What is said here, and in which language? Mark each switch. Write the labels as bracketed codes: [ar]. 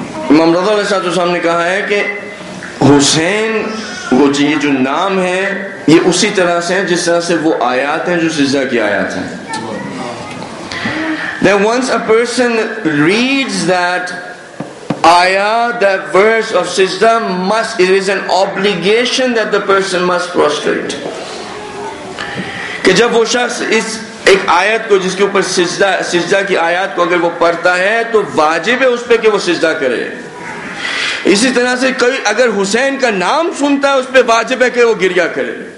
[ur] امام رضا علیہ السلام نے کہا ہے کہ حسین وہ یہ جو نام ہے یہ اسی طرح سے ہیں جس طرح سے وہ آیات ہیں جو سجدہ کی آیات ہیں. [en] Then once a person reads that ayah, that verse of sijda, must, it is an obligation that the person must prostrate. [ur] کہ جب وہ شخص اس ایک آیت کو جس کے اوپر سجدہ کی آیات کو اگر وہ پڑھتا ہے تو واجب ہے اس پہ کہ وہ سجدہ کرے. اسی طرح سے کوئی اگر حسین کا نام سنتا ہے اس پہ واجب ہے کہ وہ گریہ کرے.